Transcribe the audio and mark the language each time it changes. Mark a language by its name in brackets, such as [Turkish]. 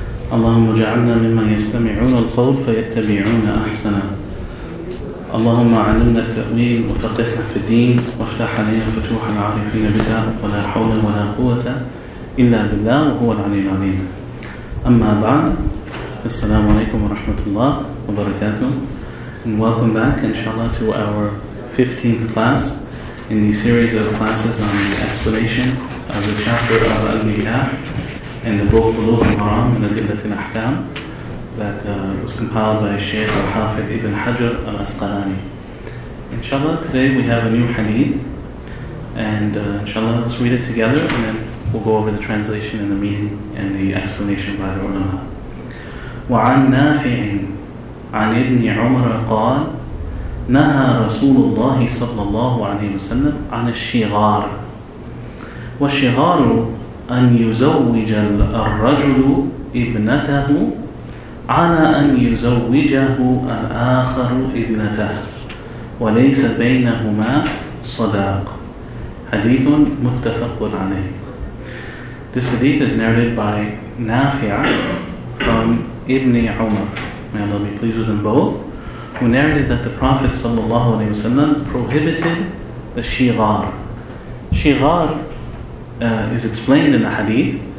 [Arabic] اللهم اجعلنا ممن يستمعون القول فيتبعون أحسنه. اللهم علمنا التأويل وفقهنا في الدين، وافتح علينا فتوح العارفين بدارك، ولا حول ولا قوة إلا بالله وهو العلي العظيم. أما بعد، السلام عليكم ورحمة الله وبركاته. [English] And welcome back inshallah to our 15th class in the series of classes on the explanation of the chapter of Al-Mi'ah in the book Bulugh al-Maram and Adillat al-Ahkam that was compiled by Shaykh al-Hafidh Ibn Hajar al-Asqalani. Inshallah, today we have a new hadith, and inshallah let's read it together, and then we'll go over the translation and the meaning and the explanation by the ulama. [Arabic] وعن نافع عن ابن عمر قال نهى رسول الله صلى الله عليه وسلم عن الشغار، والشغار أن يزوج الرجل ابنته على أن يزوجه الآخر ابنته وليس بينهما صداق. حديث متفق عليه. [English] This hadith is narrated by نافع from Ibn Umar, may Allah be pleased with them both, who narrated that the Prophet ﷺ prohibited the shighar. Shighar is explained in the hadith.